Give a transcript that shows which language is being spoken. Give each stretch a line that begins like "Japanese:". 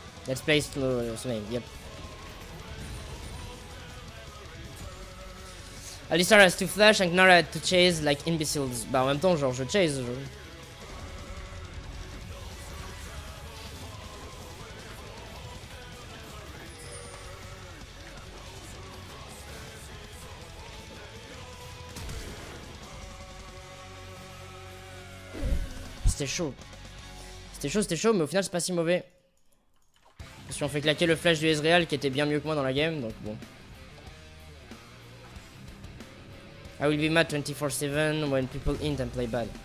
English: Let's play something, yep. Alistar has to flash and Gnar has to chase like imbeciles.
French: Bah en même temps genre je chase. C'était chaud mais au final c'est pas si mauvais. Je me suis fait claquer le flash du Ezreal qui était bien mieux que moi dans la game, donc bon.
English: I will be mad 24/7 when people int and play bad.